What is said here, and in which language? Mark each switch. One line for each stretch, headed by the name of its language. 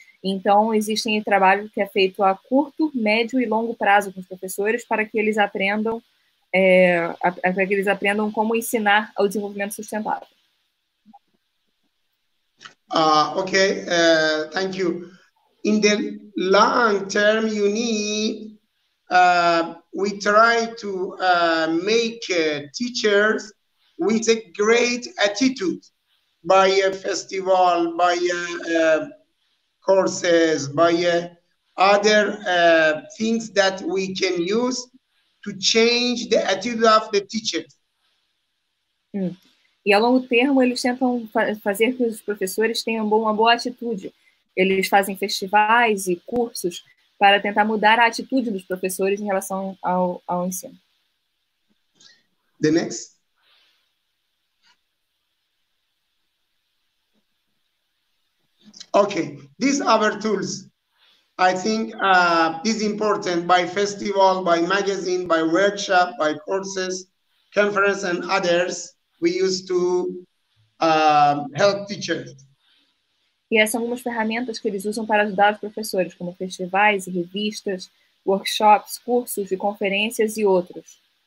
Portuguese: Então, existe trabalho que é feito a curto, médio e longo prazo com os professores para que eles aprendam para que eles aprendam como ensinar o desenvolvimento sustentável.
English: Okay, thank you. In the long term, you need we try to make teachers with a great attitude by a festival, by courses, by other things that we can use to change the attitude of the teachers.
Portuguese: E a longo termo, eles tentam fazer que os professores tenham uma boa atitude. Eles fazem festivais e cursos para tentar mudar a atitude dos professores em relação ao ensino.
English: The next. Okay, these are our tools. I think this is important by festival, by magazine, by workshop, by courses, conference and others. We used to help teachers.
Portuguese: E essas são algumas ferramentas que eles usam para ajudar os professores, como festivais, revistas, workshops, cursos e conferências e outros.